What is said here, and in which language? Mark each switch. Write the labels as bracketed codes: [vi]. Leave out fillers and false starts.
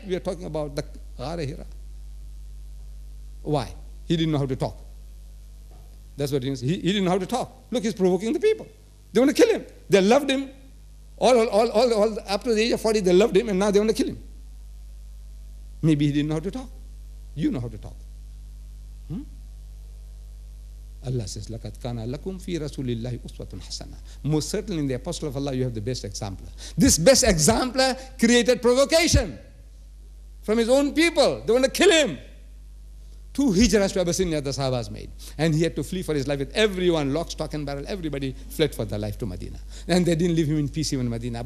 [en] We are talking about the Gharahira. Why? He didn't know how to talk. That's what he means. He didn't know how to talk. Look, he's provoking the people. They want to kill him. They loved him. All up to the age of 40, they loved him, and now they want to kill him. Maybe he didn't know how to talk. You know how to talk. Allah says, [ar] لَقَدْ كَانَ لَكُمْ فِي رَسُولِ اللَّهِ أُسْوَةٌ حَسَنًا. [en] Most certainly in the apostle of Allah, you have the best exemplar. This best exemplar created provocation from his own people. They want to kill him. Two hijras to Abyssinia the Sahabas made. And he had to flee for his life with everyone, lock, stock and barrel. Everybody fled for their life to Medina. And they didn't leave him in peace even in Medina.